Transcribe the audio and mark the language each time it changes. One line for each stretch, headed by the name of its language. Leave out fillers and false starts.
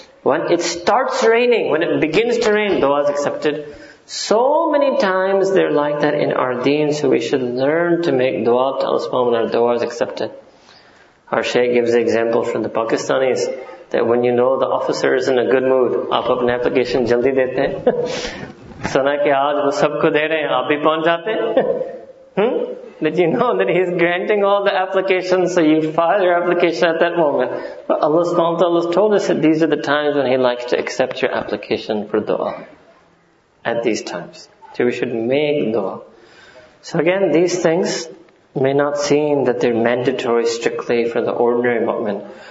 English: When it starts raining, when it begins to rain, dua is accepted. So many times they're like that in our deen, so we should learn to make dua to Allah subhanahu wa ta'ala when our dua is accepted. Our shaykh gives the example from the Pakistanis, that when you know the officer is in a good mood,
Urdu: aap apne application jaldi dete hain. سنا کہ آج وہ سب کو دے رہے ہیں، آپ بھی پہنچ جاتے ہیں۔
English: Did you know that he's granting all the applications, so you file your application at that moment? But Allah subhanahu wa ta'ala has told us that these are the times when he likes to accept your application for dua. At these times. So we should make dua. So again, these things may not seem that they're mandatory strictly for the ordinary mu'min.